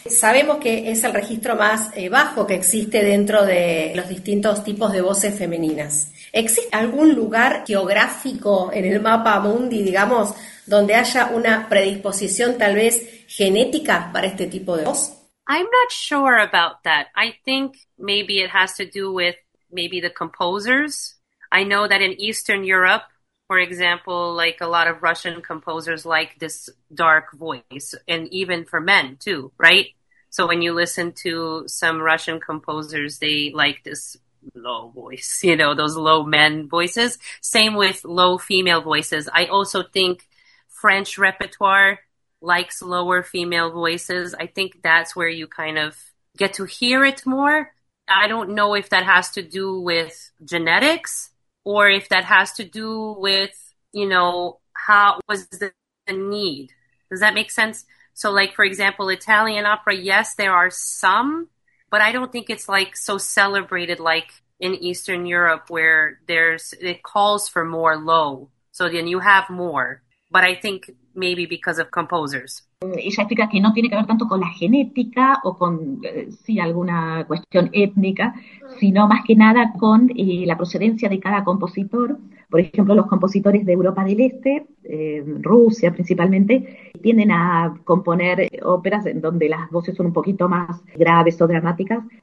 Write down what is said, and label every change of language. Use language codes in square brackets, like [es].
[es] Sabemos que es el registro más bajo que existe dentro de los distintos tipos de voces femeninas. ¿Existe algún lugar geográfico en el mapa mundi, digamos, donde haya una predisposición tal vez genética para este tipo de voz? [en] I'm not sure about that. I think maybe it has to do with maybe the composers. I know that in Eastern Europe, for example, like a lot of Russian composers like this dark voice, and even for men too, right? So when you listen to some Russian composers, they like this low voice, you know, those low men voices. Same with low female voices. I also think French repertoire likes lower female voices. I think that's where you kind of get to hear it more. I don't know if that has to do with genetics or if that has to do with, you know, how was the need. Does that make sense? So like, for example, Italian opera, yes, there are some, but I don't think it's like so celebrated like in Eastern Europe where there's, it calls for more low. So then you have more, but I think maybe because of composers. [es] Ella explica que no tiene que ver tanto con la genética o con sí alguna cuestión étnica, sino más que nada con la procedencia de cada compositor. Por ejemplo, los compositores de Europa del Este, Rusia principalmente, tienden a componer óperas en donde las voces son un poquito más graves o dramáticas.